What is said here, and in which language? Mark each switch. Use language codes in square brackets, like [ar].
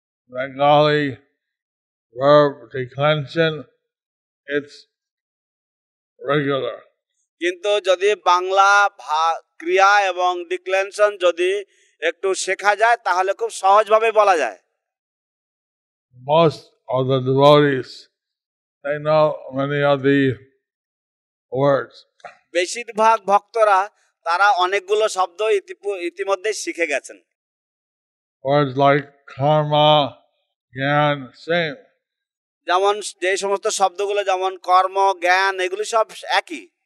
[en] Bengali verb declension, it's regular. [bn] কিন্তু যদি বাংলা ক্রিয়া এবং ডিক্লেনশন যদি একটু শেখা যায় তাহলে খুব সহজভাবে বলা যায়। [en] Most of the devotees, they know many of the words. [bn] বেশিরভাগ ভক্তরা তারা অনেকগুলো শব্দ ইতিমধ্যে শিখে গেছেন। [en] Words like karma, gyan, same. [bn] যেমন যে সমস্ত শব্দগুলো যেমন কর্ম জ্ঞান এগুলো সব একই।